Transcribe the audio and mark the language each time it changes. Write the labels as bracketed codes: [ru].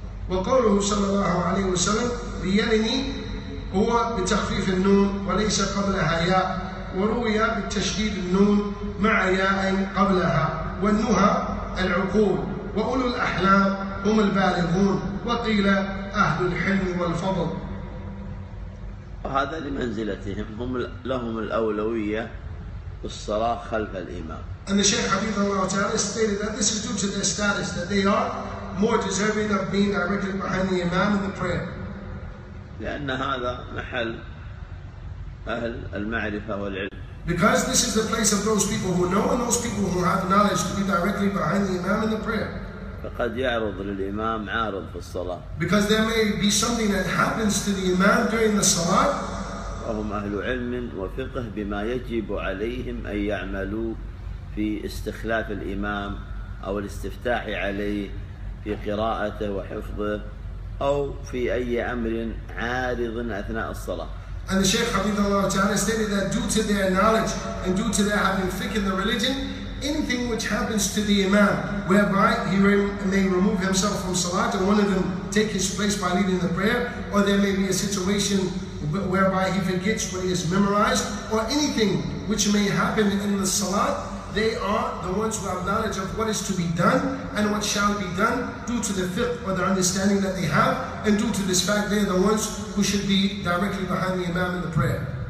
[ar] وقوله صلى الله عليه وسلم ليلني هو بتخفيف النون وليس قبلها ياء وروي بالتشديد النون مع ياء قبلها والنهى العقول وأولو الأحلام هم البالغون وقيل أهل الحلم والفضل. وهذا لمنزلتهم, هم لهم الأولوية بالصلاة خلف الإمام. [en] And the Shaykh Hafidhullah Ta'ala stated that this is due to their status, that they are more deserving of being directed behind the Imam in the prayer. [ar] لأن هذا محل أهل المعرفة والعلم. [en] Because this is the place of those people who know and those people who have knowledge to be directly behind the Imam in the prayer. [ar] فقد يعرض للإمام عارض في الصلاة. [en] Because there may be something that happens to the Imam during the Salah. [ar] وهم أهل علم وفقه بما يجب عليهم أن يعملوا في استخلاف الإمام أو الاستفتاح عليه في قراءته وحفظه أو في أي أمر عارض أثناء الصلاة. [en] And the Shaykh Hafidhullah Ta'ala stated that due to their knowledge and due to their having fiqh in the religion, anything which happens to the Imam whereby he may remove himself from Salat and one of them take his place by leading the prayer, or there may be a situation whereby he forgets what he has memorized, or anything which may happen in the Salat, they are the ones who have knowledge of what is to be done and what shall be done due to the fiqh or the understanding that they have, and due to this fact they are the ones who should be directly behind the Imam in the prayer.